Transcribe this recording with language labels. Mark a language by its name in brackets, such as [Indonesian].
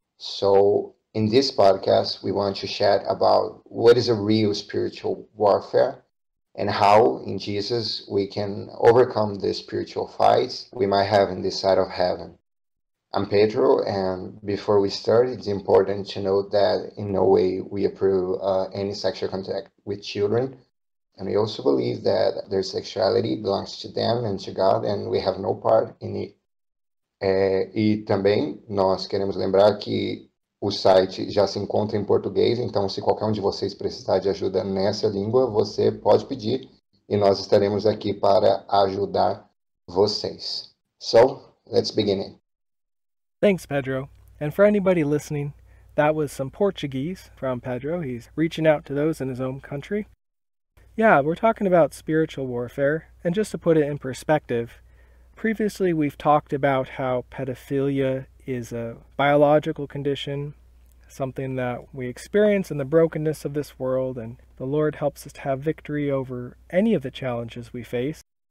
[English] So in this podcast, we want to chat about what is a real spiritual warfare and how, in Jesus, we can overcome the spiritual fights we might have in this side of heaven. I'm Pedro, and before we start, it's important to note that in no way we approve any sexual contact with children. And we also believe that their sexuality belongs to them and to God, and we have no part in it. [Portuguese] E também nós queremos lembrar que o site já se encontra em português, então se qualquer um de vocês precisar de ajuda nessa língua, você pode pedir e nós estaremos aqui para ajudar vocês. [English] So, let's begin it. Thanks, Pedro. And for anybody listening, that was some Portuguese from Pedro. He's reaching out to those in his own country. Yeah, we're talking about spiritual warfare. And just to put it in perspective, previously we've talked about how pedophilia is a biological condition, something that we experience in the brokenness of this world, and the Lord helps us to have victory over any of the challenges we face.